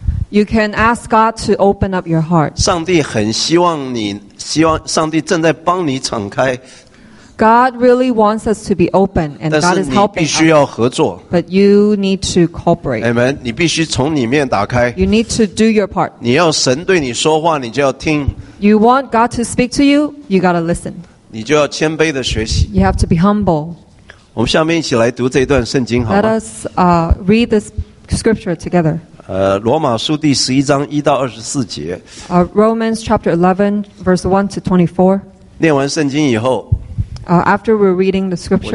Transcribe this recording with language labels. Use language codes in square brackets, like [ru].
[en] You can ask God to open up your heart. [zh] 上帝很希望上帝正在帮你敞开。 [en] God really wants us to be open, and God is helping us. [zh] 但是你必须要合作。 [en] But you need to cooperate. [zh] Amen. 你必须从里面打开。 [en] You need to do your part. [zh] 你要神对你说话，你就要听。 [en] You want God to speak to you, you gotta listen. [zh] 你就要谦卑的学习。 [en] You have to be humble. [zh] 我们下面一起来读这一段圣经，好吗 [en] ？Let us read this scripture together. [zh] 罗马书第十一章一到二十四节。 [en] Romans chapter 11 verse 1 to 24。 [zh] 念完圣经以后。 [en] After we're reading the scripture,